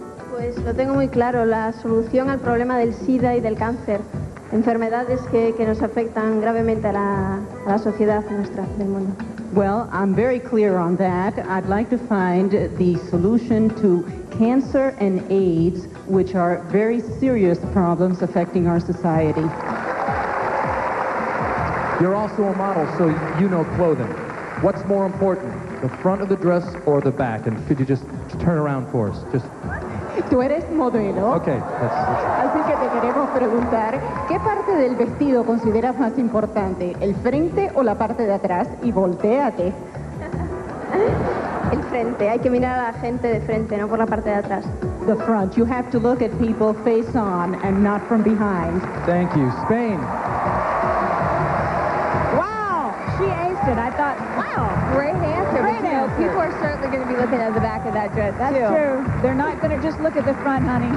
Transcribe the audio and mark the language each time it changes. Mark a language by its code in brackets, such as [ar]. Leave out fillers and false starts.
[es] Pues lo tengo muy claro, la solución al problema del SIDA y del cáncer. Enfermedades que nos afectan gravemente a la sociedad nuestra del mundo. [en] Well, I'm very clear on that. I'd like to find the solution to cancer and AIDS, which are very serious problems affecting our society. You're also a model, so you know clothing. What's more important, the front of the dress or the back? And could you just turn around for us? Just. [es] Tú eres modelo. [en] Okay. [es] Así que te queremos preguntar, ¿qué parte del vestido consideras más importante, el frente o la parte de atrás? Y volteate. El frente. Hay que mirar a la gente de frente, no por la parte de atrás. [en] The front. You have to look at people face on and not from behind. Thank you. Spain. Wow. She aced it. I thought, wow. Great hand. People are certainly going to be looking at the back of that dress. That's too. True. They're not going to just look at the front, honey.